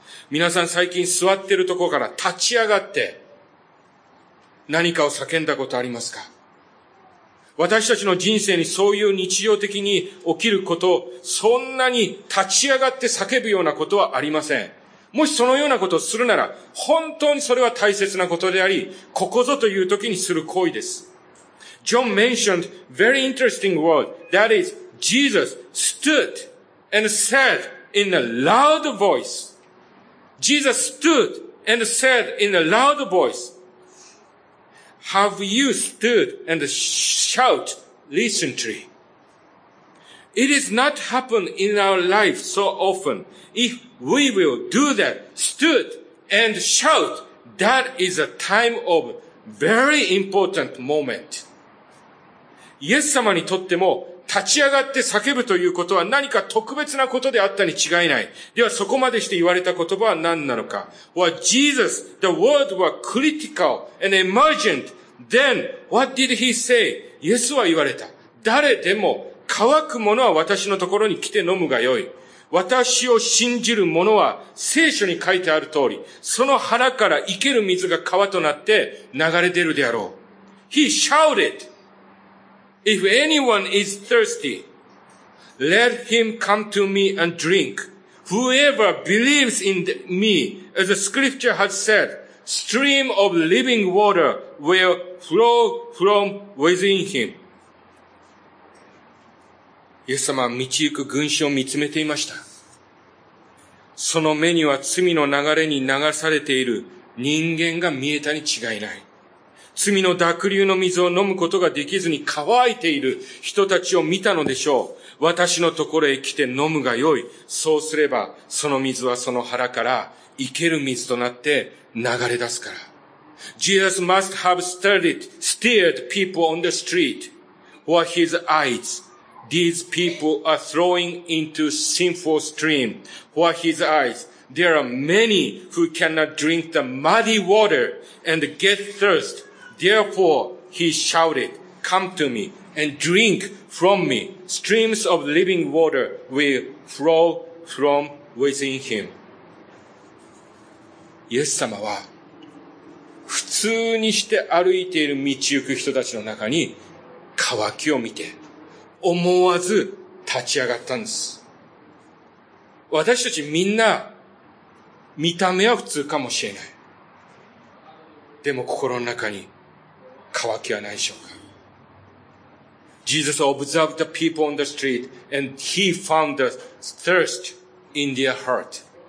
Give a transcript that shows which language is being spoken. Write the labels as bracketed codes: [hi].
[ja] 皆さん最近座ってるところから立ち上がって何かを叫んだことありますか？私たちの人生にそういう日常的に起きること、そんなに立ち上がって叫ぶようなことはありません。もしそのようなことをするなら、本当にそれは大切なことであり、ここぞという時にする行為です。 [en] John mentioned very interesting word, that is, Jesus stood and said in a loud voice. Jesus stood and said in a loud voice. Have you stood and shout recently? It has not happened in our life so often. If we will do that, stood and shout, that is a time of very important moment. [ja] イエス様にとっても立ち上がって叫ぶということは何か特別なことであったに違いない。ではそこまでして言われた言葉は何なのか。 [en] Well, Jesus, the word was critical and emergent. Then, what did he say? [ja] イエスは言われた。誰でも乾く者は私のところに来て飲むがよい。私を信じる者は聖書に書いてある通り、その腹から生ける水が川となって流れ出るであろう。 [en] He shouted, If anyone is thirsty, let him come to me and drink. Whoever believes in me, as the scripture has said,Stream of living water will flow from within him. [ja] イエス様は道行く群衆を見つめていました。その目には罪の流れに流されている人間が見えたに違いない。罪の濁流の水を飲むことができずに乾いている人たちを見たのでしょう。私のところへ来て飲むがよい。そうすればその水はその腹から生ける水となって流れ出すから。 [en] Jesus must have steered people on the street for his eyes. These people are throwing into sinful stream for his eyes. There are many who cannot drink the muddy water and get thirst. Therefore, he shouted, come to me and drink from me. Streams of living water will flow from within him. [ja] イエス様は普通にして歩いている道行く人たちの中に渇きを見て思わず立ち上がったんです。私たちみんな見た目は普通かもしれない。でも心の中に渇きはないでしょうか。 [en] Jesus observed the people on the street and he found the thirst in their heart.